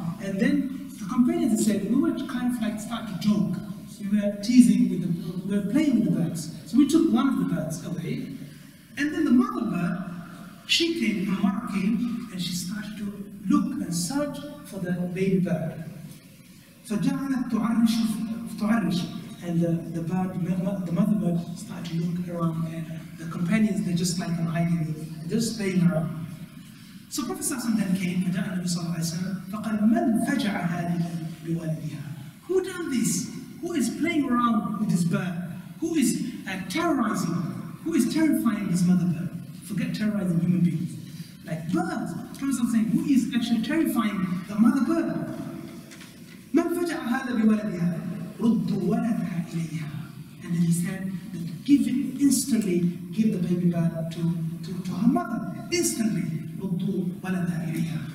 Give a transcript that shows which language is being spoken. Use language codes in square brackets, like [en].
[en] And then the companions said, we were kind of like start to joke. We were teasing with the, we were playing with the birds. So we took one of the birds away. And then the mother bird, she came, her mother came, and she started to look and search for the baby bird. [ar] So جَعَلَتْ تُعَرِّشُ. [en] And the mother bird started to look around, and the companions, they're just like hiding, just playing around. So Prophet then came, [ar] فَجَعَلَ نَبِي صَلَّى اللَّهُ عَلَيْهِ وَسَلَّمَ فَقَالَ مَنْ فَجَعَ هَذِهِ بِوَالِدِهَا. [en] Who done this? Who is playing around with this bird? Who is terrorizing? Who is terrifying this mother bird? Forget terrorizing human beings. Like birds, Prophet is saying, who is actually terrifying the mother bird? [ar] مَنْ فَجَعَ هَذَا بِوَلَدِهَا رُدُّ وَلَدَهَا إِلَيْهَا. [en] And then he said, that give it instantly, give the baby bird to her mother. [ar] Instantly, رُدُّ وَلَدَهَا إِلَيْهَا.